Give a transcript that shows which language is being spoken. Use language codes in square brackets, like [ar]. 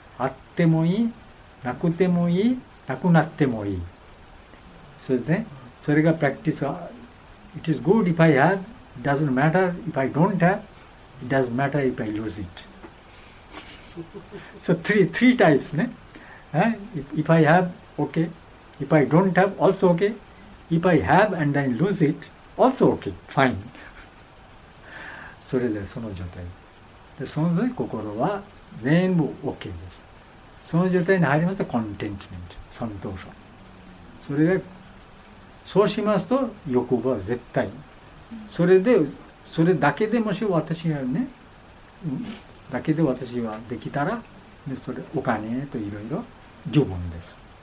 [ja] あってもいい、なくてもいい、なくなってもいい、そうですね。それが practice は、 [en] It is good if I haveIt doesn't matter if I don't have, it doesn't matter if I lose it. So three types, ne? If I have, okay. If I don't have, also okay. If I have and I lose it, also okay, fine. [ja] それでその状態。で、その時心は全部 okay です。その状態に入りますと contentment、三等賞。それで、そうしますと欲望は絶対。それで、それだけでもし私がね、だけで私はできたら、でそれお金といろいろ十分です。